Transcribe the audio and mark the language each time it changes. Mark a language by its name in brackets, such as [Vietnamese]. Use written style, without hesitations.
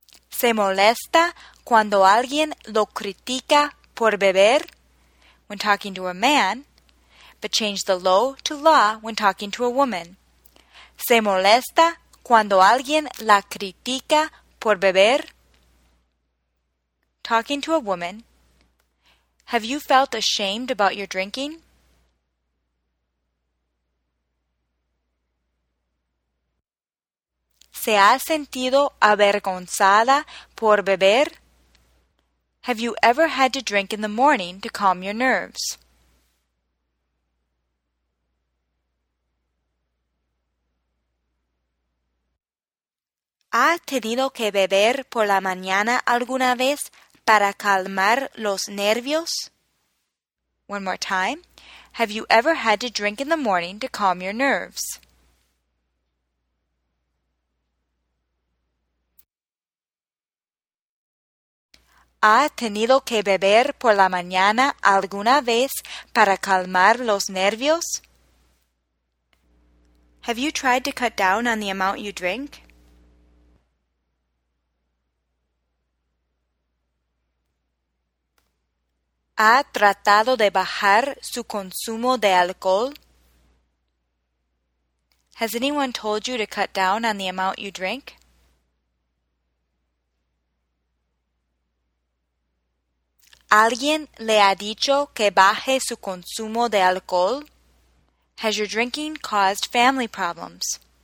[Spanish] ¿Se molesta cuando alguien lo critica por beber? [English] When talking to a man, but change the lo to la when talking to a woman. [Spanish] ¿Se molesta cuando alguien la critica por beber? [English] Talking to a woman, Have you felt ashamed about your drinking? [Spanish] ¿Se ha sentido avergonzada por beber? [English] Have you ever had to drink in the morning to calm your nerves? [Spanish] ¿Ha tenido que beber por la mañana alguna vez para calmar los nervios? [English] One more time. Have you ever had to drink in the morning to calm your nerves? [Spanish] ¿Ha tenido que beber por la mañana alguna vez para calmar los nervios? [English] Have you tried to cut down on the amount you drink? [Spanish] ¿Ha tratado de bajar su consumo de alcohol? [English] Has anyone told you to cut down on the amount you drink? [Spanish] ¿Alguien le ha dicho que baje su consumo de alcohol? [English] Has your drinking caused family problems?